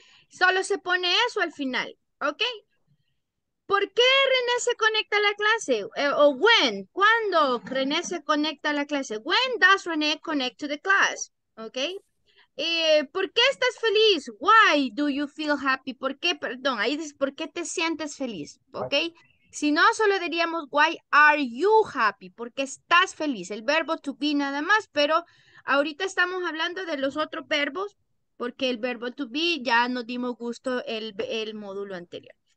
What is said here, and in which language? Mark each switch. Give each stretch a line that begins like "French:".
Spanish: Solo se pone eso al final, ¿ok? ¿Por qué René se conecta a la clase? O when, ¿cuándo René se conecta a la clase?
English: When does René connect to the class? ¿Ok?
Spanish: ¿Por qué estás feliz?
English: Why do you feel happy?
Spanish: ¿Por qué? Perdón, ahí dices, ¿por qué te sientes feliz? ¿Ok? Si no, solo diríamos,
English: why are you happy?
Spanish: ¿Por qué estás feliz? El verbo to be nada más, pero ahorita estamos hablando de los otros verbos, porque el verbo to be ya nos dimos gusto el módulo anterior.